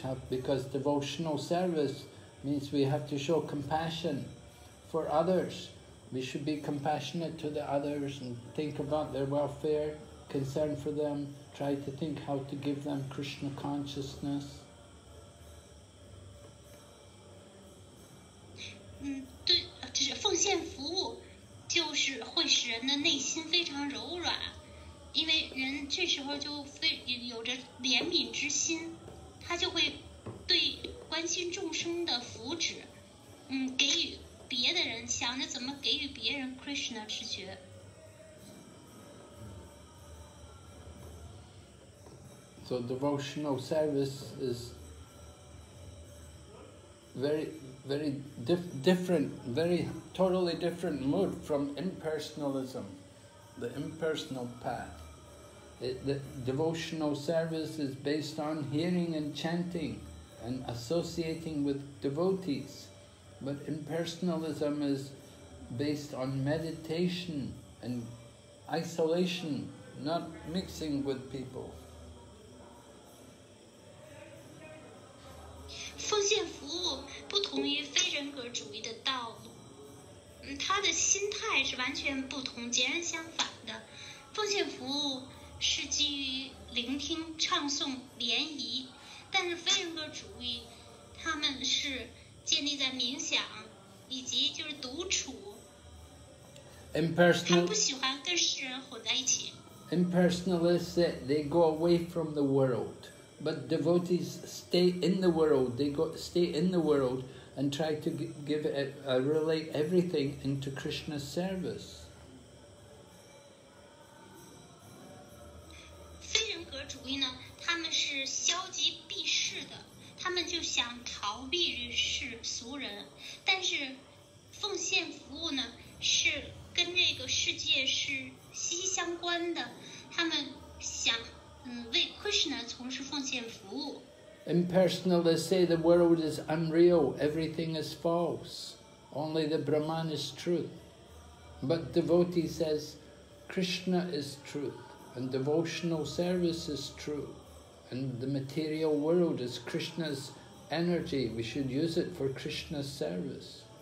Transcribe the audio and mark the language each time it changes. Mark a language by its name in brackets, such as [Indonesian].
[English] Because devotional service means we have to show compassion for others. We should be compassionate to the others and think about their welfare, concern for them, try to think how to give them Krishna consciousness. [Chinese] 对，就是奉献服务就是会使人的内心非常柔软，因为人这时候就有着怜悯之心，他就会对关心众生的福祉给予别的人，想着怎么给予别人 Krishna 之觉。 [English] So devotional service is very, very totally different mood from impersonalism, the impersonal path. The devotional service is based on hearing and chanting and associating with devotees, but impersonalism is based on meditation and isolation, not mixing with people. [Chinese] 奉献服务不同于非人格主义的道路，他的心态是完全不同，截然相反的。奉献服务是基于聆听、唱诵、联谊，但是非人格主义他们是建立在冥想以及就是独处。 [English] Impersonal, [Chinese] 他不喜欢跟世人混在一起。 [English] Impersonalists say they go away from the world. But devotees stay in the world, they go, stay in the world and try to give it, relate everything into Krishna's service. [Chinese] 非人格主义呢，他们是消极避世的，他们就想逃避于世俗人，但是奉献服务呢，是跟这个世界是息息相关的，他们想为 Krishna 从事奉献服务。 [English] Impersonalists say the world is unreal, everything is false, only the Brahman is truth. But devotee says Krishna is truth, and devotional service is true, and the material world is Krishna's energy, we should use it for Krishna's service.